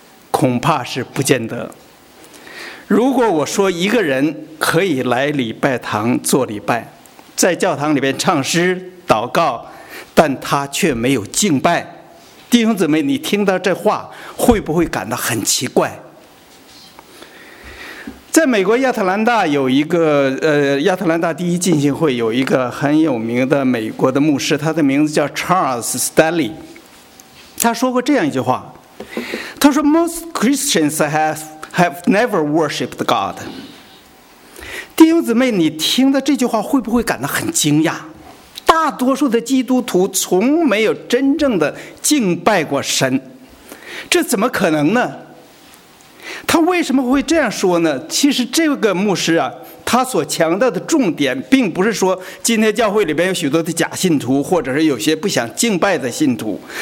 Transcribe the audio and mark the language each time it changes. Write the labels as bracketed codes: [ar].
[zh] 恐怕是不见得。如果我说一个人可以来礼拜堂做礼拜，在教堂里面唱诗祷告，但他却没有敬拜，弟兄姊妹，你听到这话会不会感到很奇怪？在美国亚特兰大有一个亚特兰大第一浸信会有一个很有名的美国的牧师，他的名字叫 Charles Stanley。他说过这样一句话，他说 [en] Most Christians have never worshipped God。 [zh] 弟兄姊妹，你听到这句话会不会感到很惊讶？大多数的基督徒从没有真正的敬拜过神，这怎么可能呢？他为什么会这样说呢？其实这个牧师啊，他所强调的重点并不是说今天教会里边有许多的假信徒，或者是有些不想敬拜的信徒。